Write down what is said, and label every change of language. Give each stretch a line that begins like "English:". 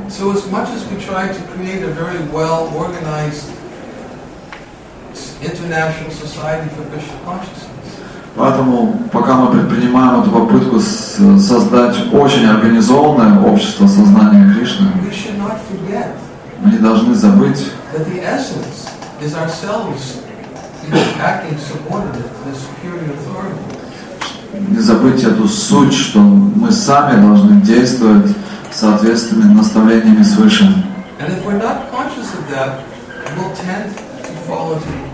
English: So as much as we try to create a very well organized International Society for Krishna Consciousness.
Russian: Поэтому, пока мы предпринимаем эту попытку создать очень организованное общество сознания Кришны,
English: we should not forget,
Russian: мы не должны забыть,
English: that the essence is ourselves acting subordinate to the superior authority.
Russian: Не забыть эту суть, что мы сами должны действовать соответственными наставлениями свыше.
English: And if we're not conscious of that, we'll tend to fall into